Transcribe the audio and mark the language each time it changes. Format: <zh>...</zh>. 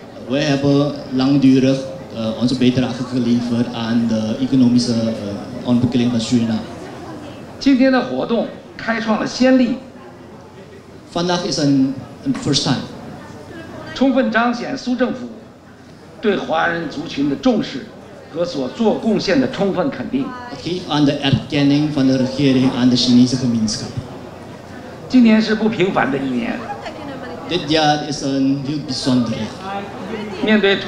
<nl>We hebben langdurig onze bijdrage geleverd aan de economische ontwikkeling van Suriname. Vandaag is een</nl> <en>first time.</en> <zh>充分彰显苏政府对华人族群的重视和所做贡献的充分肯定。</zh> <nl>Geef aan de erkenning van de regering aan de Chinese gemeenschap.</nl> <zh>今年是不平凡的一年。</zh> <nl>Dit jaar is een heel bijzonder jaar.</nl>